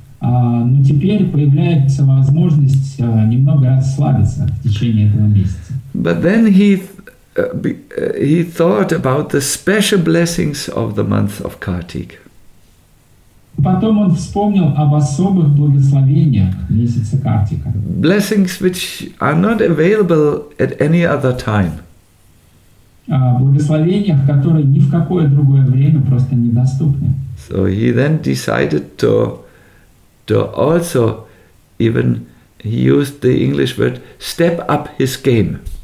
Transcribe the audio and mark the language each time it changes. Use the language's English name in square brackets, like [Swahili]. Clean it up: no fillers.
[Russian] Но теперь появляется возможность немного расслабиться в течение этого месяца. [English] But then he thought about the special blessings of the month of Kartik. [Russian] Потом он вспомнил об особых благословениях месяца Картика. [English] Blessings which are not available at any other time. [Russian] Благословениях, которые ни в какое другое время просто недоступны. [English] So he then decided to also even, he used the English word, step up his game.